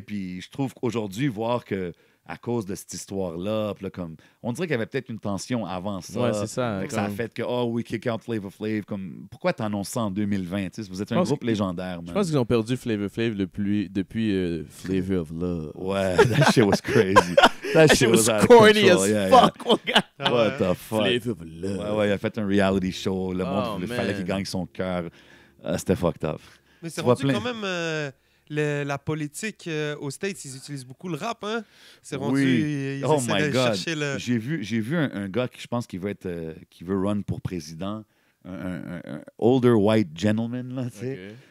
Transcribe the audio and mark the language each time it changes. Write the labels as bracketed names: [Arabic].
[French] Puis je trouve qu'aujourd'hui, voir que à cause de cette histoire-là, puis là, comme, on dirait qu'il y avait peut-être une tension avant ça. Ouais, c'est ça. Comme... Ça a fait que, [English] oh, we kick out Flavor Flav. [French] Comme, pourquoi t'annonces ça en 2020? T'sais? Vous êtes un groupe légendaire, man. Je pense qu'ils ont perdu Flavor Flav depuis Flavor of Love. [English] Ouais, that shit was crazy. That shit was corny as fuck, [French] mon gars. [English] What the fuck? Flavor of Love. [French] Ouais, ouais, il a fait un reality show. Le monde, il fallait qu'il gagne son cœur. C'était fucked up. Mais c'est rendu quand même... La politique aux States, ils utilisent beaucoup le rap, hein? C'est rendu... Oui. Ils [English] oh my God! [French] Chercher le... J'ai vu un gars qui, je pense, qui veut run pour président, un [English] older white gentleman, [French] là, tu sais. Okay.